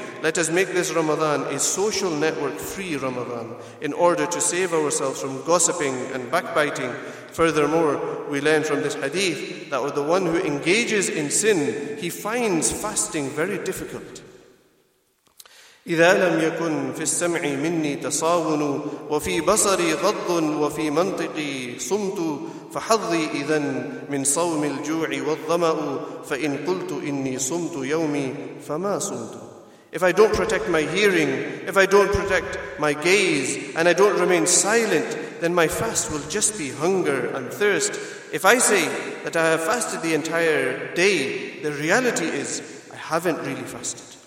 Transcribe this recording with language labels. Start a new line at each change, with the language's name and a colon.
English: Let us make this Ramadan a social network-free Ramadan in order to save ourselves from gossiping and backbiting. Furthermore, we learn from this hadith that the one who engages in sin, he finds fasting very difficult.
Arabic: إذا لم يكن في السمع مني تصاون، وفي بصري غض، وفي منطقي صمت، فحظي إذن من صوم الجوع والظمأ، فإن قلت إني صمت يومي فما صمت.
English: If I don't protect my hearing, if I don't protect my gaze, and I don't remain silent, then my fast will just be hunger and thirst. If I say that I have fasted the entire day, the reality is I haven't really fasted.